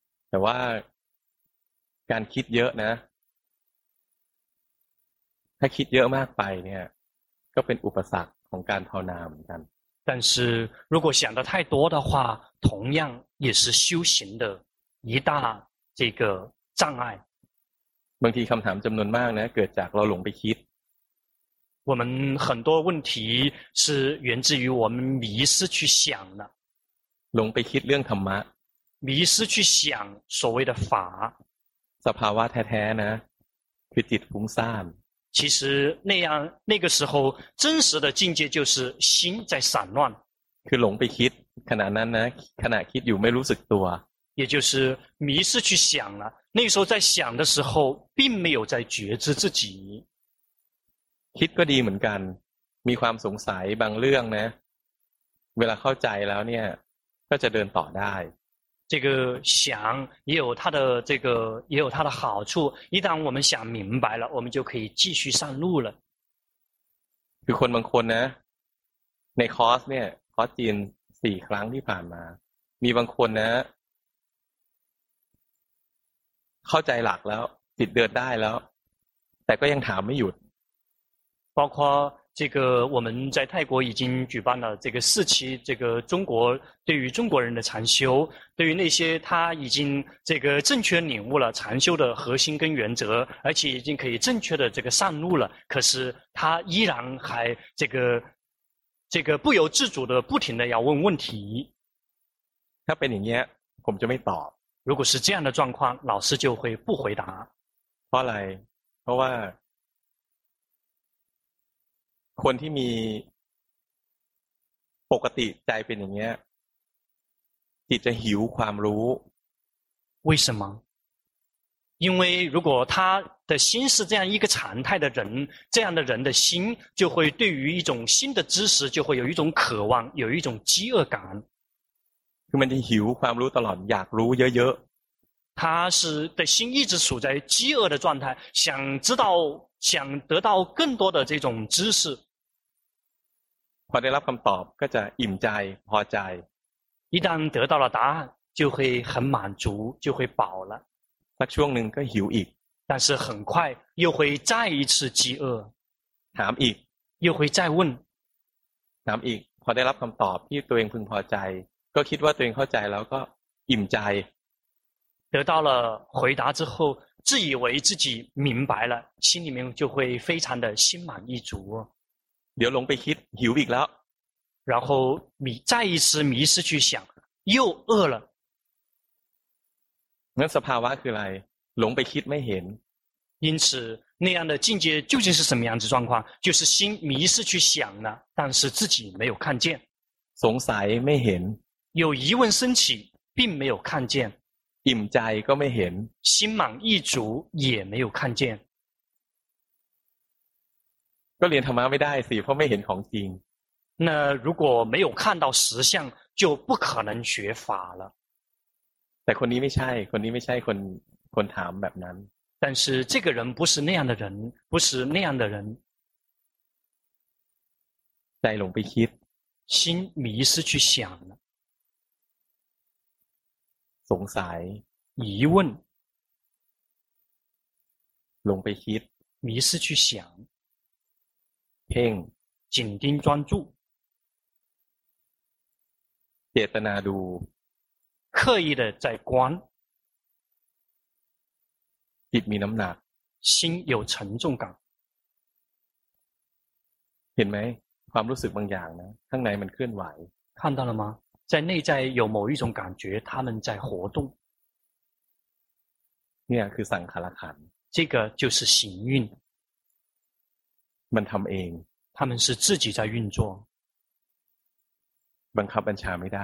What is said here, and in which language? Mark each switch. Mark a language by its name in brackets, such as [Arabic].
[Thai] แต่ว่าการคิดเยอะนะถ้าคิดเยอะมากไปเนี่ยก็เป็นอุปสรรคของการภาวนาเหมือนกัน [Chinese] 但是如果想的太多的话同样也是修行的一大这个障碍 [Thai] บางทีคำถามจำนวนมากนะเกิดจากเราหลงไปคิด [Chinese] 我们很多问题是源自于我们迷失去想的 [Thai] หลงไปคิดเรื่องธรรมะ [Chinese] 迷失去想所谓的法 [Thai] สภาวะแท้ๆนะคือจิตฟุ้งซ่าน [Chinese] 其实那样那个时候真实的境界就是心在散乱 [Thai] คือหลงไปคิดขณะนั้นนะขณะคิดอยู่ไม่รู้สึกตัว [Chinese] 也就是迷失去想了那个时候在想的时候并没有在觉知自己 [Thai] คิดก็ดีเหมือนกันมีความสงสัยบางเรื่องนะเวลาเข้าใจแล้วเนี่ยก็จะเดินต่อได้ [Chinese] 这个想也有它的这个也有它的好处一旦我们想明白了我们就可以继续上路了 [Thai] คือคนบางคนนะในคอร์สเนี่ยคอร์สจีน4ครั้งที่ผ่านมามีบางคนนะเข้าใจหลักแล้วติดเดินได้แล้วแต่ก็ยังถามไม่หยุด [Chinese] 包括这个我们在泰国已经举办了这个四期这个中国对于中国人的禅修对于那些他已经这个正确领悟了禅修的核心跟原则而且已经可以正确的这个上路了可是他依然还这个不由自主的不停的要问问题他被你捏我们就没倒如果是这样的状况老师就会不回答后来后来 [Thai] คนที่มีปกติใจเป็นอย่างเงี้ยจิตจะหิวความรู้ [Chinese] 为什么因为如果他的心是这样一个常态的人这样的人的心就会对于一种新的知识就会有一种渴望有一种饥饿感 [Thai] คือมันจะหิวความรู้ตลอดอยากรู้เยอะ [Chinese] ๆ他是的心一直处在饥饿的状态想知道想得到更多的这种知识 [Thai] พอได้รับคำตอบก็จะอิ่มใจพอใจ [Chinese] 一旦得到了答案就会很满足就会饱了 [Thai] สักช่วงหนึ่งก็หิวอีก [Chinese] 但是很快又会再一次饥饿 [Thai] ถามอีก [Chinese] 又会再问 [Thai] ถามอีกพอได้รับคำตอบที่ตัวเองพึงพอใจก็คิดว่าตัวเองเข้าใจแล้วก็อิ่มใจ [Chinese] 得到了回答之后自以为自己明白了心里面就会非常的心满意足 [Thai] เดี๋ยวหลงไปคิดหิวอีกแล้ว [Chinese] 然后迷再一次迷失去想又饿了 [Thai] 那สภาวะคืออะไรหลงไปคิดไม่เห็น [Chinese] 因此那样的境界究竟是什么样子状况就是心迷失去想了但是自己没有看见 [Thai] สงสัยไม่เห็น [Chinese] 有疑问升起并没有看见 [Thai] อิ่มใจก็ไม่เห็น [Chinese] 心满意足也没有看见 [Thai] ก็เรียนธรรมะไม่ได้สิเพราะไม่เห็นของจริง [Chinese] 那如果没有看到实相就不可能学法了 [Thai] แต่คนนี้ไม่ใช่คนนี้ไม่ใช่คนถามแบบนั้น [Chinese] 但是这个人不是那样的人不是那样的人 [Thai] ใจหลงไปคิด [Chinese] 心迷失去想了 [Thai] สงสัย [Chinese] 疑问 [Thai] ลงไปคิด [Chinese] 迷失去想 [Thai] เพ่ง [Chinese] 紧盯专注 [Thai] เจตนาดู [Chinese] 刻意的在观 [Thai] จิตมีน้ำหนัก [Chinese] 心有沉重感 [Thai] เห็นไหมความรู้สึกบางอย่างนะข้างในมันเคลื่อนไหว [Chinese] 看到了吗在内在有某一种感觉他们在活动 [Thai] นี่คือสังขารขัน [Chinese] ธ์这个就是行运 [Thai] มันทำเอง [Chinese] 他们是自己在运作 [Thai] บังคับบัญชาไม่ได